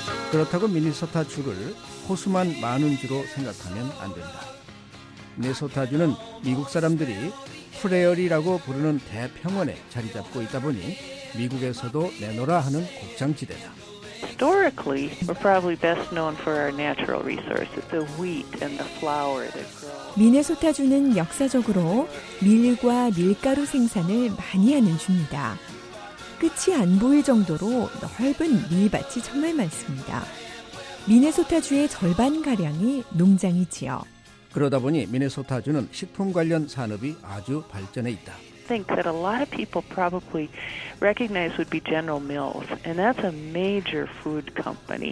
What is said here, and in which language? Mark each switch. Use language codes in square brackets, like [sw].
[ko] 그렇다고 미네소타주를 호수만 많은 주로 생각하면 안 된다. 미네소타주는 미국 사람들이 프레어리라고 부르는 대평원에 자리 잡고 있다 보니 미국에서도 내놓으라 하는 곡창지대다. [en] Historically, we're probably best known for our natural resources, the wheat and the flour that grow. [ko] 미네소타주는 역사적으로 밀과 밀가루 생산을 많이 하는 주입니다. 끝이 안 보일 정도로 넓은 밀밭이 정말 많습니다. 미네소타주의 절반 가량이 농장이지요. 그러다 보니 미네소타주는 식품 관련 산업이 아주 발전해 있다. [en] I think that a lot of people probably recognize would be General Mills, and that's a major food company.